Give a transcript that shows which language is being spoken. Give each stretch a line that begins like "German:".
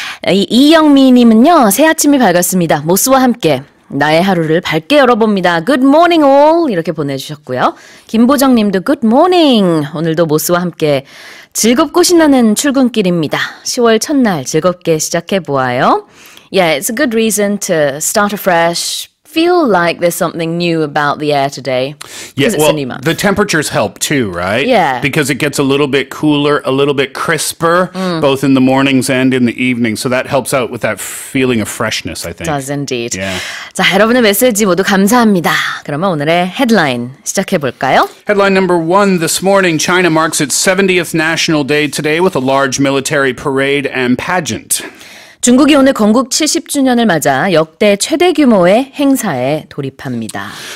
Korean: 이영미님은요, 새 아침이 밝았습니다. 모스와 함께. 나의 하루를 밝게 열어봅니다.
English: Good morning all
Korean: 이렇게 보내주셨고요. 김보정님도
English: good morning.
Korean: 오늘도 모스와 함께 즐겁고 신나는 출근길입니다. 10월 첫날 즐겁게 시작해보아요.
English: Yeah, it's a good reason to start afresh. Feel like there's something new about the air today. Yeah, well, the temperatures help too, right? Yeah. Because it gets a little bit cooler, a little bit crisper, both in the mornings and in the evening. So that helps out with that feeling of freshness, I think. Does indeed. Yeah.
Korean: 자, 여러분의 메시지 모두 감사합니다. 그러면 오늘의 headline 시작해볼까요?
English: Headline number one this morning, China marks its 70th national day today with a large military parade and pageant.
Korean: 중국이 오늘 건국 70주년을 맞아 역대 최대 규모의 행사에 돌입합니다.